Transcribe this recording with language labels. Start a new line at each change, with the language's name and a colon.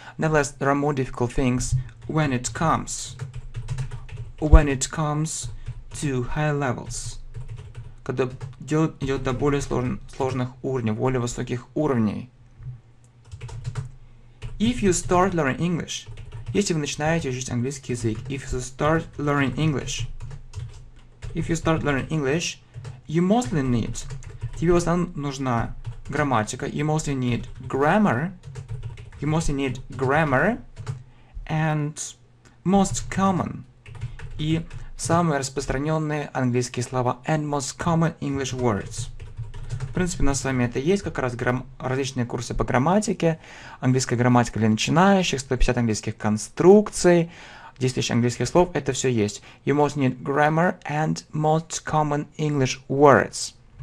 English: Nevertheless, there are more difficult things when it comes to high levels.
Russian: Когда дело идет до более сложных уровней, более высоких уровней.
English: If you start learning English,
Russian: если вы начинаете учить английский язык,
English: if you start learning English, you mostly need,
Russian: тебе в основном нужна грамматика,
English: you mostly need grammar, and most common,
Russian: и самые распространенные английские слова
English: and most common English words.
Russian: В принципе, у нас с вами это есть, как раз различные курсы по грамматике. Английская грамматика для начинающих, 150 английских конструкций, 10 тысяч английских слов, это все есть.
English: You most need grammar and most common English words.